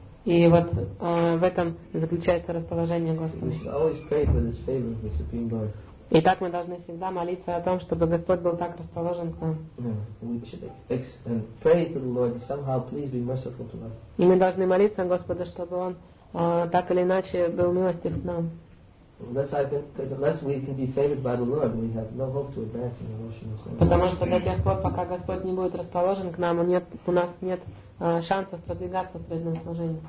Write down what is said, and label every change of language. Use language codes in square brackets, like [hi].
[ru] И вот в этом заключается расположение Господа. [en] We should always pray for this favor of the Supreme Lord. [ru] И так мы должны всегда молиться о том, чтобы Господь был так расположен к нам. [en] Pray to the Lord somehow, please be merciful to us. [ru] И мы должны молиться Господу, чтобы Он так или иначе был милостив к нам. [en] Unless we can be favored by the Lord, we have no hope to advance in devotional service. [ru] Потому что до тех пор, пока Господь не будет расположен к нам, у нас нет шансов продвигаться в преданном служении.